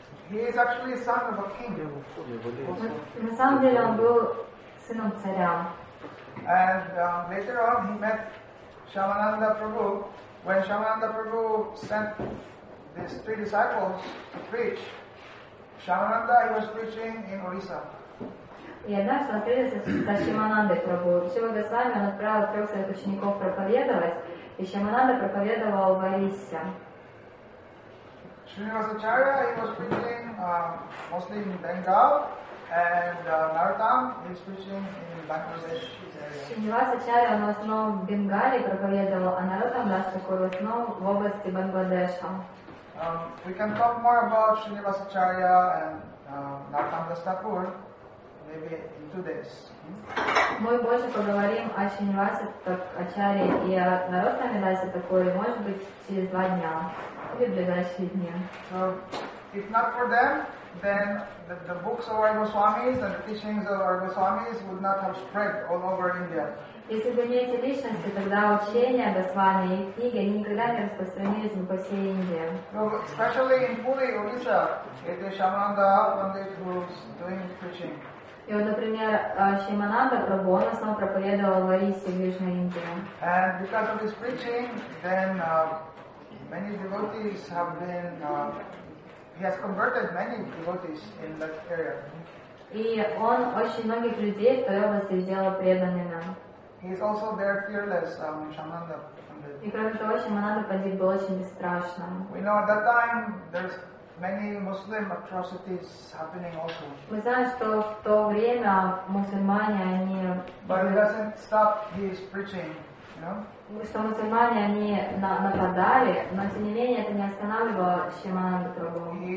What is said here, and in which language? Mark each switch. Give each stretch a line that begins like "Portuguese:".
English: He is actually son of a king.
Russian: На самом деле он был сыном царя.
English: And later on he met Shyamananda Prabhu, when Shyamananda Prabhu sent these three disciples to preach, Shyamananda, he was preaching in Orissa.
Russian: И однажды он встретился с Шьямананды Прабху. Шрила Госвами он отправил трех своих учеников проповедовать, и Шьямананда проповедовал в Орисе.
English: Шринивасачарья, he was preaching mostly in Bengal. And Narottam is preaching in Bangladesh.
Russian: Шринивасачарья он в основном в Бенгалии проповедовал, а Нароттам Дас Такур в основном в области Бангладеша.
English: We can talk more about Шринивасачарья and Narottam Дас Такур maybe in 2 days.
Russian: Мы больше поговорим о Шринивасачарье и о Нароттам Дас Такуре, может быть, через 2 дня или в ближайшие дни.
English: So, if not for them, then the books of our Goswamis and the teachings of our Goswamis would not have spread all over India.
Russian: Если бы не эти личности, тогда учение Госвами и книги никогда не распространились бы по всей Индии.
English: Especially in Puri, Orissa, it is Shyamananda Pandit who is doing preaching.
Russian: И вот, например, Шьямананда Прабху, он сам проповедовал в Орисе, в Южной Индии.
English: And because of his preaching, then many devotees have been He has converted many devotees in that area.
Russian: И он очень многих людей в той области сделал преданными.
English: He is also very fearless, Шьямананда.
Russian: И кроме того, Шьямананда Пандит был очень бесстрашным.
English: We know at that time there's many Muslim atrocities happening also.
Russian: Мы знаем, что в то время мусульмане они.
English: But it doesn't stop his preaching, you know.
Russian: Что мусульмане они нападали, но тем не менее это не останавливало Шьямананду Прабху.